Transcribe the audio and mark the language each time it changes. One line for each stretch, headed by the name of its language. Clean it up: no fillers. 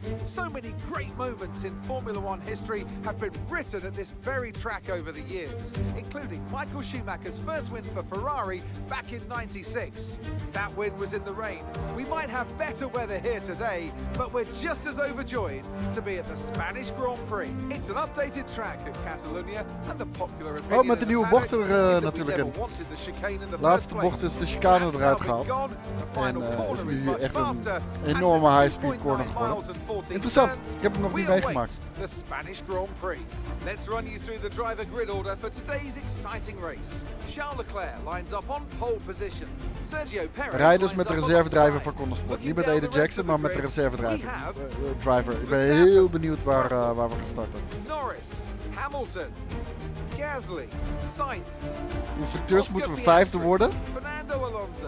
English: So many great moments in Formula One history have been written at this very track over the years, including Michael Schumacher's first win for Ferrari back in 96. That win was in the rain. We might have better weather here today, but we're just as overjoyed to be at the Spanish Grand Prix. It's an updated track of Catalunya and the popular opinion
Dutch: Met de nieuwe bocht er natuurlijk in. Laatste bocht is de chicane eruit gehaald. En is nu echt een enorme high-speed corner geworden. Interessant, ik heb hem nog niet meegemaakt.
English: The Spanish Grand Prix. Let's run you through the driver grid order for today's exciting race. Charles Leclerc lines up on pole position. Sergio Perez.
Dutch: Rijders met de reservedriver voor Konnersport. Niet met Aiden Jackson, maar met de reservedriver. Driver. Ik ben heel benieuwd waar we gaan starten.
English: Norris, Hamilton. Gasly, Sainz.
Dutch: Constructeurs moeten we vijfde worden.
English: Fernando Alonso.